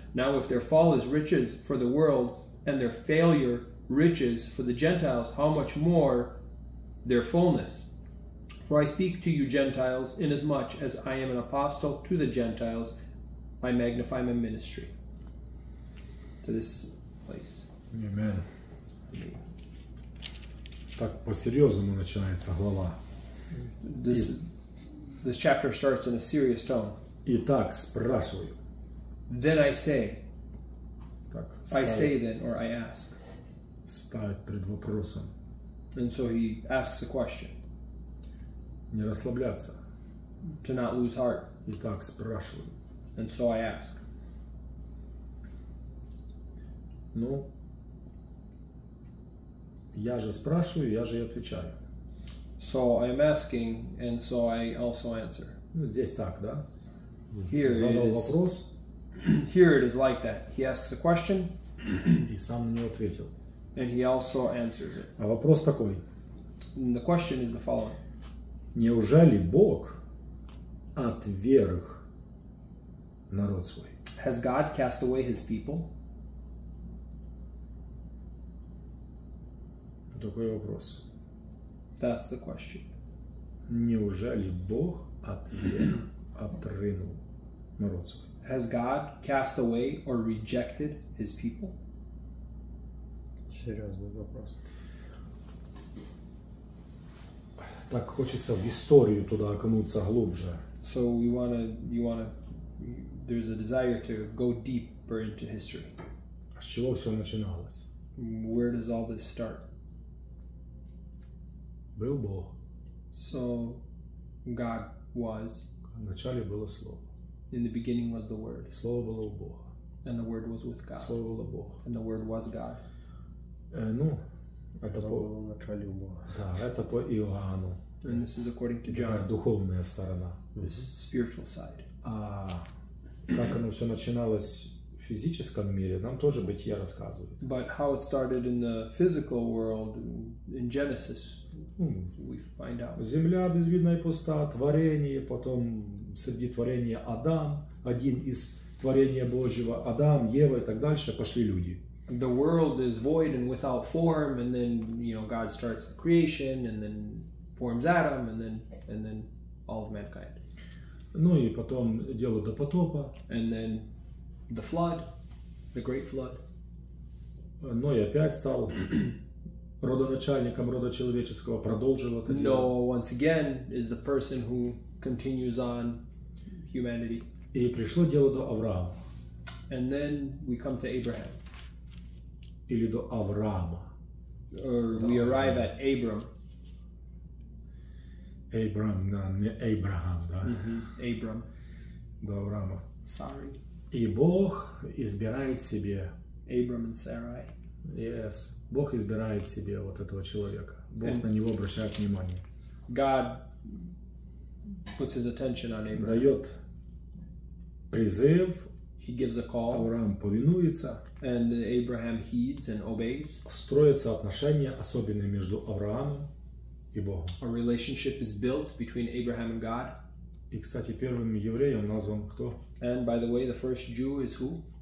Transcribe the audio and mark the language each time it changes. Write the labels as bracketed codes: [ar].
[en] Now if their fall is riches for the world, and their failure riches for the Gentiles, how much more their fullness? For I speak to you Gentiles, inasmuch as I am an apostle to the Gentiles, I magnify my ministry to this place. Amen. [ru] Так по-серьезному начинается глава. [en] This chapter starts in a serious tone. [ru] Итак, спрашиваю. [en] Then I say. [ru] Так, ставит, [en] I say then, or I ask. [ru] Ставит перед вопросом. [en] And so he asks a question. [ru] Не расслабляться. [en] To not lose heart. [ru] Итак, спрашиваю. [en] And so I ask. [ru] Ну, я же спрашиваю, я же и отвечаю. [en] So I am asking, and so I also answer. [ru] Ну, здесь так, да? [en] Here [ru] задал [en] is [ru] вопрос. [en] Here it is like that. He asks a question. [ru] И сам на него ответил. [en] And he also answers it. [ru] А вопрос такой. [en] And the question is the following. [ru] Неужели Бог отверг народ свой? [en] Has God cast away his people? [ru] Такой вопрос. [en] That's the question. [ru] Неужели Бог отринул народ свой? [en] Has God cast away or rejected his people? [ru] Серьезный вопрос. Так хочется в историю туда окунуться глубже. [en] So you wanna there's a desire to go deeper into history. [ru] С чего все начиналось? [en] Where does all this start? [ru] Был Бог. [en] So God was. [ru] В начале было слово. [en] In the beginning was the Word. [ru] Слово было у Бога. [en] And the Word was with God. [ru] Слово было Бог. [en] And the Word was God. [ru] Ну, было в начале у Бога. Да, это по Иоанну. [en] And this is according to John. [ru] Духовная сторона. [en] This spiritual side. [ru] А как оно все начиналось в физическом мире, нам тоже Бытие рассказывает. [en] But how it started in the physical world, in Genesis, we find out. [ru] Земля безвидна и пуста, творение, потом среди творения Адам, один из творения Божьего, Адам, Ева и так дальше, пошли люди. [en] The world is void and without form, and then, you know, God starts the creation, and then forms Adam, and then all of mankind. [ru] Ну и потом дело до потопа. [en] And then the flood, the great flood. [ru] Ной опять стал родоначальником рода человеческого, продолжил это дело. [en] Noah once again is the person who continues on humanity. [ru] И пришло дело до Авраама. [en] And then we come to Abraham. [ru] Или до Авраама. [en] Or we arrive at Abram. [ru] Abram, да, не Abraham, да. [en] Mm-hmm. Abram. [ru] До Авраама. [en] Sorry. [ru] И Бог избирает себе. [en] Abram and Sarai. Yes. [ru] Бог избирает себе вот этого человека. Бог and на него обращает внимание. [en] God puts his attention on Abram. [ru] Дает призыв. [en] He gives a call. [ru] Авраам повинуется. [en] And Abraham heeds and obeys. [ru] Строятся отношения, особенно между Авраамом и Богом. [en] A relationship is built between Abraham and God. [ru] И, кстати, первым евреем назван кто? [en] And by the way, the first Jew is who?